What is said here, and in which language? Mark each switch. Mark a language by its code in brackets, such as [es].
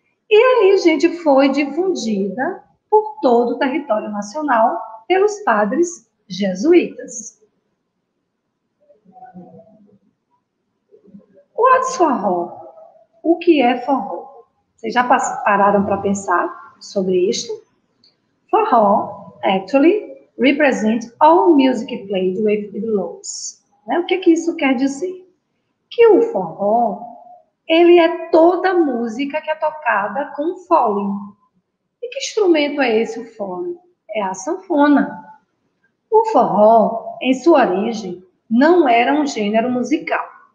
[pt] E aí, gente, foi difundida por todo o território nacional pelos padres jesuítas. [en] What's forró? [pt] O que é forró? Vocês já pararam para pensar sobre isto? [en] Forró, actually, represents all music played with blows. [pt] Né? O que, que isso quer dizer? Que o forró, ele é toda música que é tocada com fole. E que instrumento é esse o fole? É a sanfona. O forró, em sua origem, não era um gênero musical.